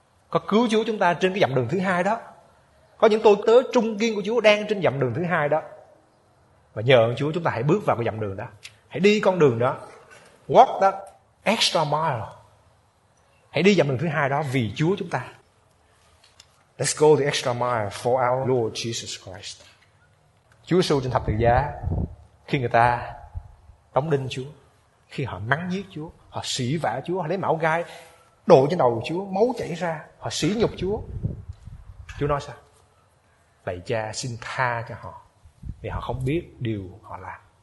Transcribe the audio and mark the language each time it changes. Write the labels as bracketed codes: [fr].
[vi] Có cứu Chúa chúng ta trên cái dặm đường thứ hai đó. Có những tôi tớ trung kiên của Chúa đang trên dặm đường thứ hai đó. Và nhờ ơn Chúa chúng ta hãy bước vào cái dặm đường đó. Hãy đi con đường đó. [en] Walk that extra mile. [vi] Hãy đi dặm đường thứ hai đó vì Chúa chúng ta. [en] Let's go the extra mile for our Lord Jesus Christ. [vi] Chúa Giê-xu trên thập tự giá, khi người ta đóng đinh Chúa, khi họ mắng giết Chúa, họ sỉ vả Chúa, họ lấy mạo gai đổ trên đầu Chúa, máu chảy ra, họ sỉ nhục Chúa. Chúa nói sao? Lạy Cha, xin tha cho họ vì họ không biết điều họ làm.